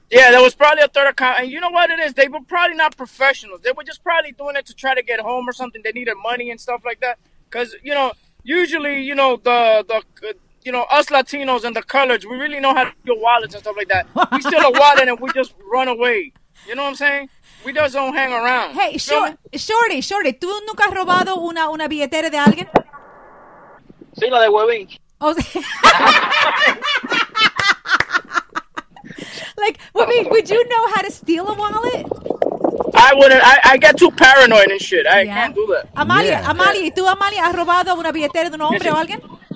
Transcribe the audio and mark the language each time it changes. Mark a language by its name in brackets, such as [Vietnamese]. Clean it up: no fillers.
[English] Yeah, there was probably a third accomplice. And you know what it is? They were probably not professionals. They were just probably doing it to try to get home or something. They needed money and stuff like that. Because, you know, usually, you know, the us Latinos and the colors, we really know how to steal wallets and stuff like that. We steal a wallet and we just run away. You know what I'm saying? We just don't hang around. [Spanish] Hey, Shorty, ¿tú nunca has robado una billetera de alguien? Sí, la de Webin. [English] Oh, like, Webin, would you know how to steal a wallet? I wouldn't. I get too paranoid and shit. I can't do that. Amalia, yeah. [Spanish] Amalia, ¿tú, Amalia, has robado una billetera de un hombre o alguien?